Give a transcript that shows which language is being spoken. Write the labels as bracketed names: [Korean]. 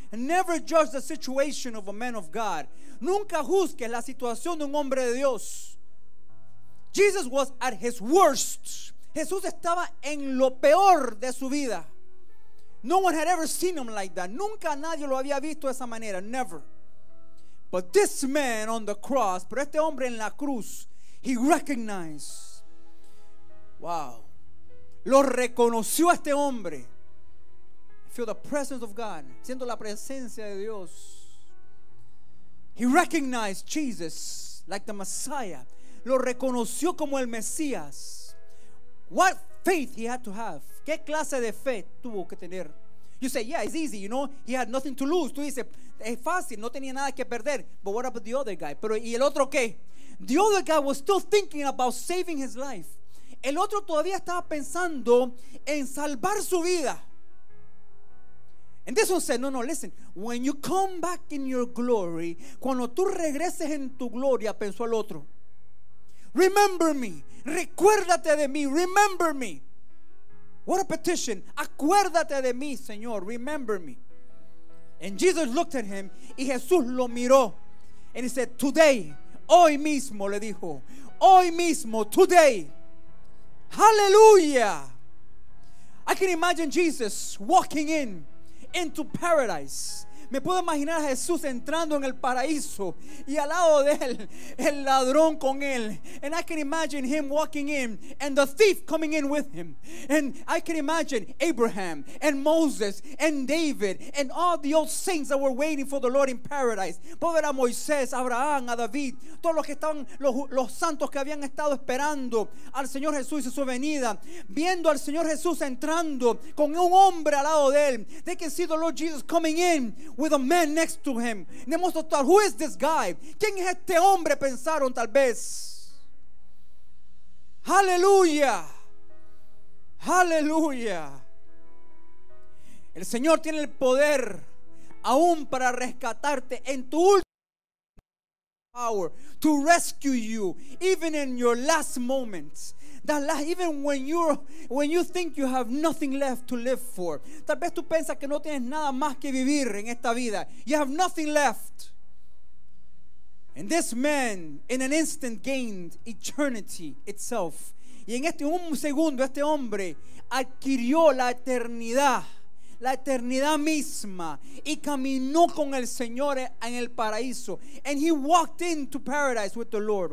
[English] And never judge the situation of a man of God. [Spanish] Nunca juzgues la situación de un hombre de Dios. [English] Jesus was at his worst. [Spanish] Jesús estaba en lo peor de su vida. [English] No one had ever seen him like that. [Spanish] Nunca nadie lo había visto de esa manera. [English] Never. But this man on the cross, [Spanish] pero este hombre en la cruz, [English] he recognized. Wow. [Spanish] Lo reconoció a este hombre. [English] Feel the presence of God. [Spanish] Siento la presencia de Dios. [English] He recognized Jesus like the Messiah. [Spanish] Lo reconoció como el Mesías. [English] What faith he had to have. [Spanish] ¿Qué clase de fe tuvo que tener? [English] You say, yeah, it's easy, you know. He had nothing to lose. [Spanish] Tú dices, es fácil, no tenía nada que perder. [English] But what about the other guy? [Spanish] Pero ¿y el otro qué? [English] The other guy was still thinking about saving his life. [Spanish] El otro todavía estaba pensando en salvar su vida. [English] And this one said, no, no, listen. When you come back in your glory, [Spanish] cuando tú regreses en tu gloria, pensó el otro. [English] Remember me. [Spanish] Recuérdate de mí. [English] Remember me. What a petition. [Spanish] Acuérdate de mí, Señor. [English] Remember me. And Jesus looked at him. [Spanish] Y Jesús lo miró. [English] And he said, today. [Spanish] Hoy mismo, le dijo. Hoy mismo, today. Hallelujah. [English] I can imagine Jesus walking in. Into paradise. [Spanish] Me puedo imaginar a Jesús entrando en el paraíso y al lado de él el ladrón con él. [English] And I can imagine him walking in and the thief coming in with him. And I can imagine Abraham and Moses and David and all the old saints that were waiting for the Lord in paradise. [Spanish] Puedo ver a Moisés, a Abraham, a David, todos los que estaban, los santos que habían estado esperando al Señor Jesús y su venida, viendo al Señor Jesús entrando con un hombre al lado de él. [English] They can see the Lord Jesus coming in with a man next to him. Who is this guy? [Spanish] ¿Quién es este hombre? Pensaron tal vez. Hallelujah. Hallelujah. El Señor tiene el poder aún para rescatarte en tu último power. [English] To rescue you. Even in your last moments. That last, even when you think you have nothing left to live for. [Spanish] Tal vez tú piensas que no tienes nada más que vivir en esta vida. [English] You have nothing left. And this man in an instant gained eternity itself. [Spanish] Y en este un segundo este hombre adquirió la eternidad misma, y caminó con el Señor en el paraíso. [English] And he walked into paradise with the Lord.